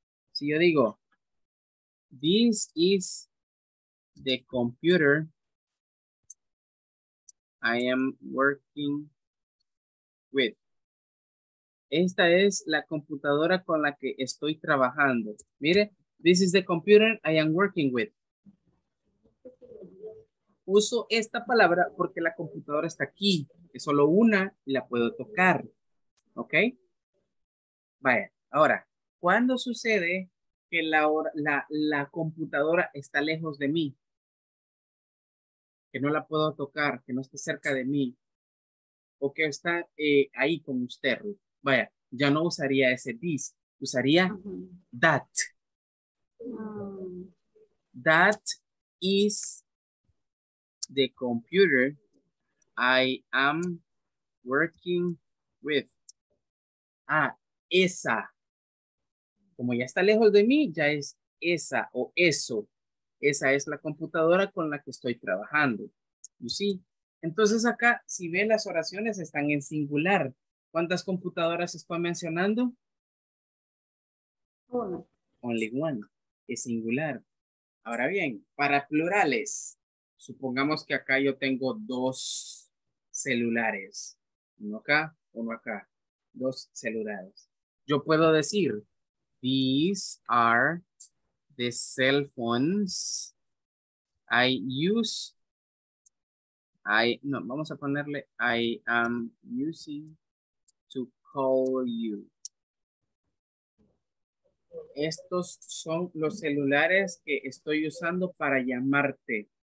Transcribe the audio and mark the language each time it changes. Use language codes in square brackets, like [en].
[es] Si yo digo, [en] this is the computer I am working with. [es] Esta es la computadora con la que estoy trabajando. [en] Mire, this is the computer I am working with. [es] Uso esta palabra porque la computadora está aquí. Es solo una y la puedo tocar. ¿Ok? Vaya, Ahora, ¿cuándo sucede que la computadora está lejos de mí? Que no la puedo tocar, que no esté cerca de mí. O que está ahí con usted. Vaya, ya no usaría ese this, usaría that. [en] That is the computer I am working with. [es] Ah, esa. Como ya está lejos de mí, ya es esa o eso. Esa es la computadora con la que estoy trabajando. [en] You see? [es] Entonces acá, si ve, las oraciones están en singular. ¿Cuántas computadoras estoy mencionando? Una. [en] Only one. [es] Es singular. Ahora bien, para plurales, supongamos que acá yo tengo dos celulares. Uno acá, uno acá. Dos celulares. Yo puedo decir, [en] these are the cell phones I use. [es] Vamos a ponerle, [en] I am using to call you. [es] Estos son los celulares que estoy usando para llamarte.